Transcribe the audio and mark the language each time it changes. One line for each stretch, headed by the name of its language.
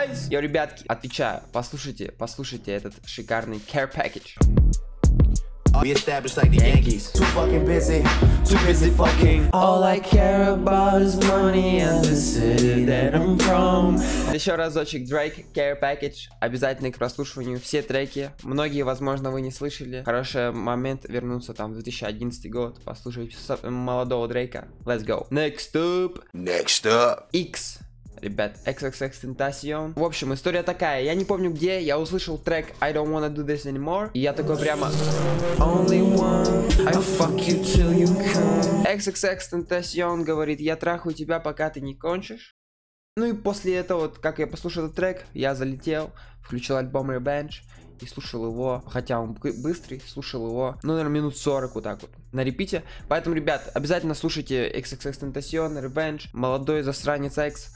Russian: Yo, ребятки, отвечаю. Послушайте, послушайте этот шикарный Care Package.
English: We established like the Yankees. Too fucking busy, too busy fucking. All I care about is money and the city that I'm from.
Russian: Еще разочек, Drake, Care Package. Обязательно к прослушиванию все треки. Многие, возможно, вы не слышали. Хороший момент вернуться там в 2011 год. Послушать молодого Дрейка.
English: Let's go. Next up. Next up. X.
Russian: Ребят, XXXTentacion. В общем, история такая. Я не помню где, я услышал трек I don't wanna do this anymore. И я такой прямо
English: only one, I'll fuck you till you come.
Russian: XXXTentacion говорит: я трахаю тебя, пока ты не кончишь. Ну и после этого, вот как я послушал этот трек, я залетел, включил альбом Revenge и слушал его, хотя он быстрый, слушал его, ну, наверное, минут 40 вот так вот, на репите. Поэтому, ребят, обязательно слушайте XXXTentacion, Revenge, молодой засранец X.